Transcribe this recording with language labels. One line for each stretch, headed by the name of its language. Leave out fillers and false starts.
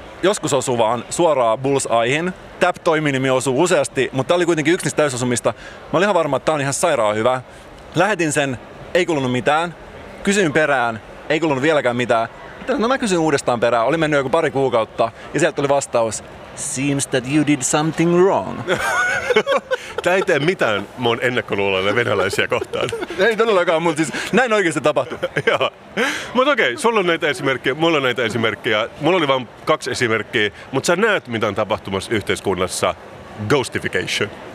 Finnish: Joskus osuu vaan suoraan bullseyehin. Tap-toiminimi osuu useasti, mutta tää oli kuitenkin yksi niistä täysosumista. Mä olin ihan varma, että tää on ihan sairaan hyvä. Lähetin sen, ei kuulunut mitään. Kysyin perään, ei kuulunut vieläkään mitään. No mä kysyin uudestaan perään, oli mennyt joku pari kuukautta, ja sieltä tuli vastaus.
English: Seems that you did something wrong.
Finnish: Tää ei tee mitään mun ennakkoluuloille venäläisiä kohtaan. Ei todellakaan, mutta siis näin oikeasti tapahtui. Joo. Mutta okei, sulla on näitä esimerkkejä, mulla on näitä esimerkkejä. Mulla oli vain kaksi esimerkkiä, mutta sä näet, mitä on tapahtumassa yhteiskunnassa. Ghostification.